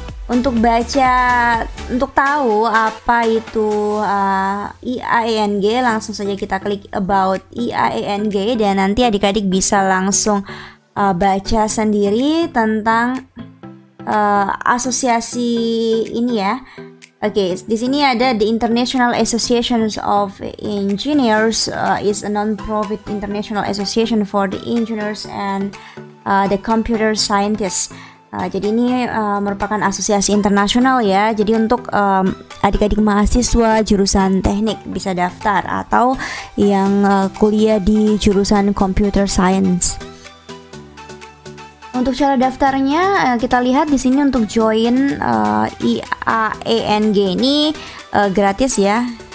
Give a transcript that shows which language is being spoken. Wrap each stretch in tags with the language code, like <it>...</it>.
<id>Untuk baca, untuk tahu apa itu IAENG, langsung saja kita klik about IAENG dan nanti adik-adik bisa langsung baca sendiri tentang asosiasi ini ya. Oke, di sini ada</id> <en>the International Association of Engineers is a non-profit international association for the engineers and the computer scientists.</en> <id>Jadi ini merupakan asosiasi internasional ya. Jadi untuk adik-adik mahasiswa jurusan teknik bisa daftar atau yang kuliah di jurusan computer science. Untuk cara daftarnya kita lihat di sini untuk join IAENG ini gratis ya.</id>